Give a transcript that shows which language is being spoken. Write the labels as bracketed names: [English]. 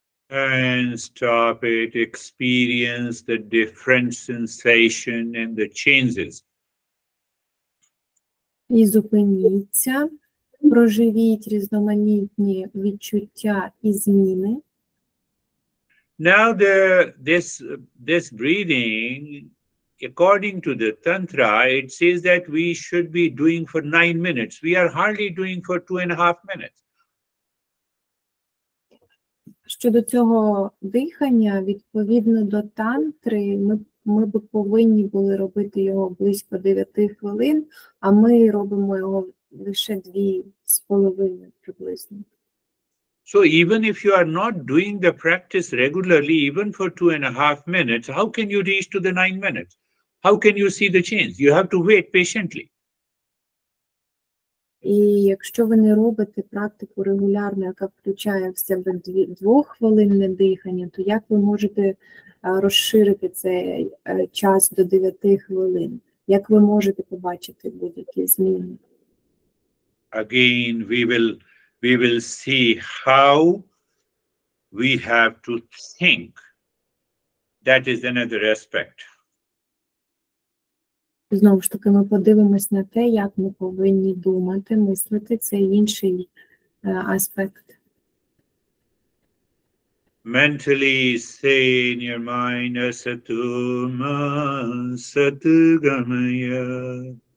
[English] And stop it, experience the different sensation and the changes. [Ukrainian] І зупиніться, проживіть різноманітні відчуття і зміни. [English] Now this breathing, according to the tantra, it says that we should be doing for 9 minutes. We are hardly doing for 2.5 minutes. [Ukrainian] Щодо цього дихання, відповідно до тантри, ми б повинні були робити його близько 9 хвилин, а ми робимо його лише 2.5 приблизно. [English] So even if you are not doing the practice regularly, even for 2.5 minutes, how can you reach to the 9 minutes? How can you see the change? You have to wait patiently. [Ukrainian] І якщо ви не робите практику регулярно, яка включає в себе 2-хвилинне дихання, то як ви можете розширити цей час до 9 хвилин? Як ви можете побачити будь-які зміни? [English] Again, we will see how we have to think. That is another aspect. [Ukrainian] Знову ж таки, ми подивимось на те, як ми повинні думати, мислити. Це інший аспект. [English] Mentally say in your mind, Asatuma, Satugamaya.